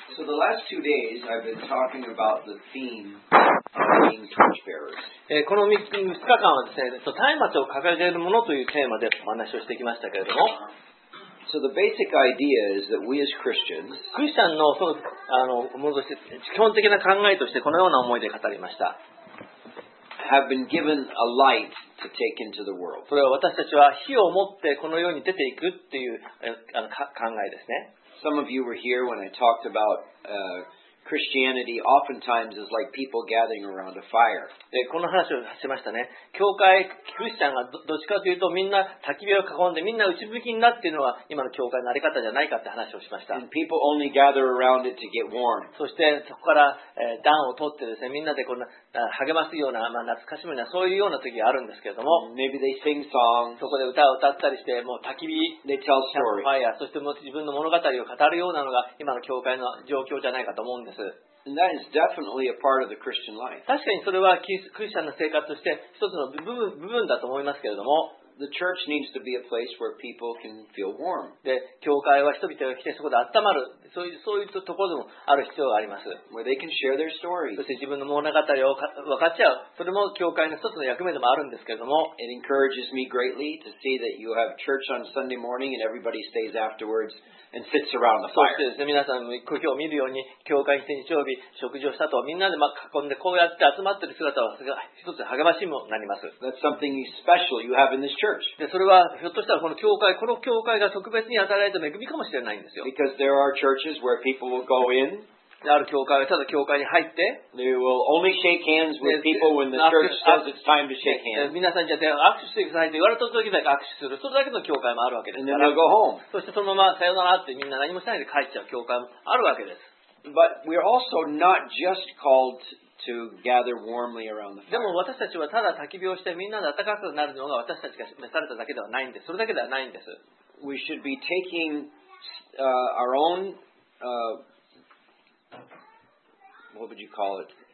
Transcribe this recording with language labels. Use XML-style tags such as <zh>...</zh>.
<en>the last 2 days, I've been talking about the theme of being torchbearers.</en> <ja>この 3日間はですね、松明を掲げるものというテーマでお話をしてきましたけれども。</ja> <en>So the basic idea is that we as Christians,</en> <ja>クリスチャンの、基本的な考えとしてこのような思いで語りました。</ja> <en>Have been given a light to take into the world.</en> <ja>それは私たちは火を持ってこの世に出ていくっていう考えですね。</ja> <en>Some of you were here when I talked about Christianity. Oftentimes, is like people gathering around a fire.</en> <ja>この話をしましたね。教会クリスチャンが どっちかというとみんな焚き火を囲んでみんな内向きになっているのは今の教会のあり方じゃないかって話をしました。</ja> <en>And people only gather around it to get warm.</en> <ja>そしてそこから、暖を取ってですね、みんなでこんな励ますような、まあ、懐かしむようなそういうような時があるんですけれども、</ja> <en>Maybe they sing songs.</en> <ja>そこで歌を歌ったりしてもう焚き火、</ja> <en>they tell stories.</en> <ja>ファイヤー、そしてもう自分の物語を語るようなのが今の教会の状況じゃないかと思うんです。</ja> <en>And that is definitely a part of the Christian life.</en> <ja>確かにそれはクリスチャンの生活として一つの部分だと思いますけれども、</ja> <en>the church needs to be a place where people can feel warm.</en> <ja>で、教会は人々が来てそこで温まる。そういうところでもある必要があります。</ja> <en>Where they can share their stories.</en> <ja>そして自分の物語を分かち合う。それも教会の一つの役目でもあるんですけれども。</ja> <en>It encourages me greatly to see that you have church on Sunday morning and everybody stays afterwards and sits around the fire.</en> <ja>そしてですね、皆さんも今日見るように、教会に日曜日食事をした後、みんなで囲んでこうやって集まっている姿は一つ励ましもなります。</ja> <en>That's something special you have in this church.</en> <ja>で、それはひょっとしたらこの教会が特別に与えられた恵みかもしれないんですよ。</ja> <en>Because there are churchWhere people will go in.</en> <ja>ある教会はただ教会に入って、</ja> <en>they will only shake hands with people when the church says it's time to shake hands.</en> <ja>皆さんじゃあ握手してくださいって言われた時だけ握手する。それだけの教会もあるわけです。</ja> <en>And then they'll go home.</en> <ja>そしてそのままさよならってみんな何もしないで帰っちゃう教会もあるわけです。</ja> <en>But we're also not just called to gather warmly around the fire.</en> <ja>でも私たちはただ焚き火をしてみんなで暖かくなるのが私たちが召されただけではないんです。それだけではないんです。</ja> <en>We should be taking our own what would you call it?</en>